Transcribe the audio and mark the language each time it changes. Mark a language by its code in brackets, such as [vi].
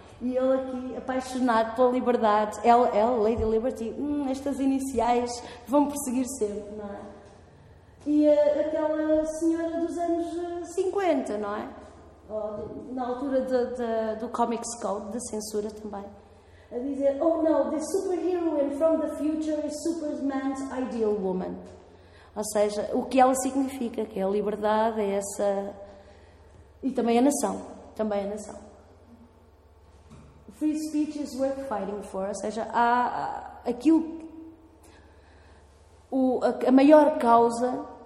[pt] E ele aqui, apaixonado pela liberdade, LL, Lady Liberty, estas iniciais vão perseguir sempre, não é? E aquela senhora dos anos 50, não é? Na altura do Comics Code, da censura também. A dizer, [en] oh no, the superhero and from the future is Superman's ideal woman. [pt] Ou seja, o que ela significa, que é a liberdade, é essa... E também a nação, também a nação. [en] Free speech is worth fighting for. [pt] Ou seja, há aquilo... A maior causa...